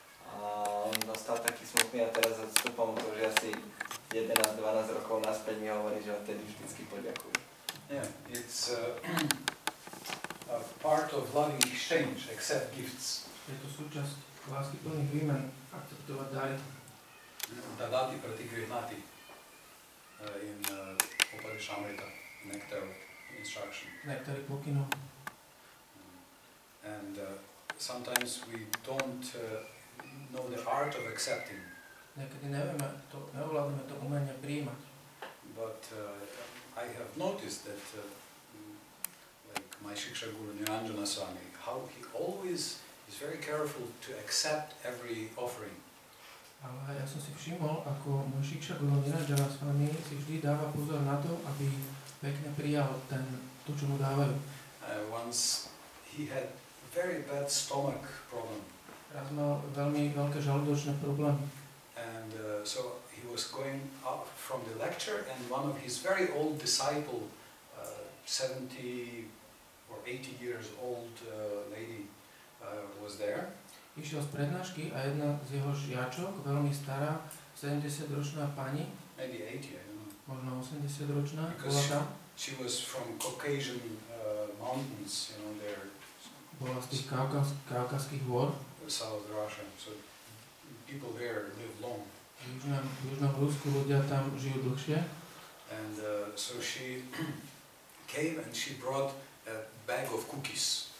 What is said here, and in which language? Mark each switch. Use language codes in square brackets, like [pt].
[sk] A on dostal taký smutný a teraz odstupom to, že asi 11-12 rokov naspäť mi hovorí, že odtedy vždycky poďakuje. [en] Yeah, it's a part of loving exchange, accept gifts. [sk] Je to súčasť lásky plných výmen, akceptovať dary. [sa] Dadati prati grihnati in uparishamrita, [en] nectar instruction. Nectar i pokino. And sometimes we don't know the art of accepting. [sk] Nekedy nevieme to, neovládame to umenie prijímať. [en] But I have noticed that like my Shiksha Guru Niranjana Swami, how he always is very careful to accept every offering. [sk] Ale ja som si všimol, ako môj Šikša Guru Niranjana Swami si vždy dáva pozor na to, aby pekne prijal to, čo mu dávajú. [en] Once he had very bad stomach problem. [sk] Raz mal veľmi veľké žalúdočné problémy. [en] And so he was going up from the lecture and one of his very old disciple, 70 or 80 years old lady was there. [sk] Išiel z prednášky a jedna z jeho žiačok, veľmi stará, 70-ročná pani. [en] Maybe 80, I don't know. [sk] Možno 80-ročná. [en] Because she was from Caucasian mountains, you know, there. [sk] Bola z tých kaukazských hôr. [en] South Russia, so people there live long. [sk] Južná v Rusku, ľudia tam žijú dlhšie. [en] And so she came and she brought a bag of cookies.